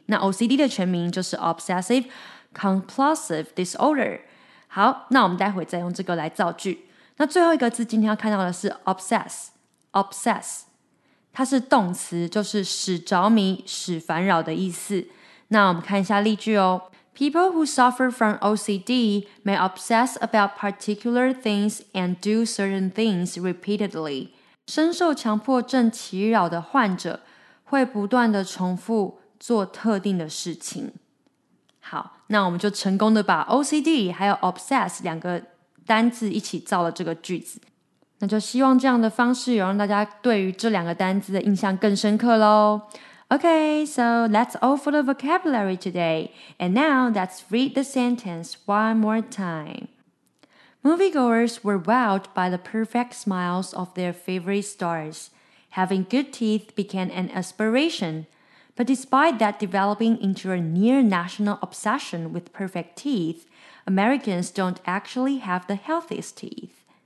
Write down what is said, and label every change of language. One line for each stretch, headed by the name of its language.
Chinese: 那 OCD 的全名就是 Obsessive Compulsive Disorder。好，那我们待会再用这个来造句。那最后一个字今天要看到的是 Obsess， 它是动词，就是使着迷、使烦扰的意思。那我们看一下例句哦。
English: People who suffer from OCD may obsess about particular things and do certain things repeatedly.
Chinese: 深受强迫症其扰的患者会不断地重复做特定的事情。好，那我们就成功地把 OCD 还有 obsess 两个单字一起造了这个句子。那就希望这样的方式有让大家对于这两个单字的印象更深刻咯。
English: Okay, so that's all for the vocabulary today. And now let's read the sentence one more time. Moviegoers were wowed by the perfect smiles of their favorite stars. Having good teeth became an aspiration. But despite that developing into a near national obsession with perfect teeth, Americans don't actually have the healthiest teeth.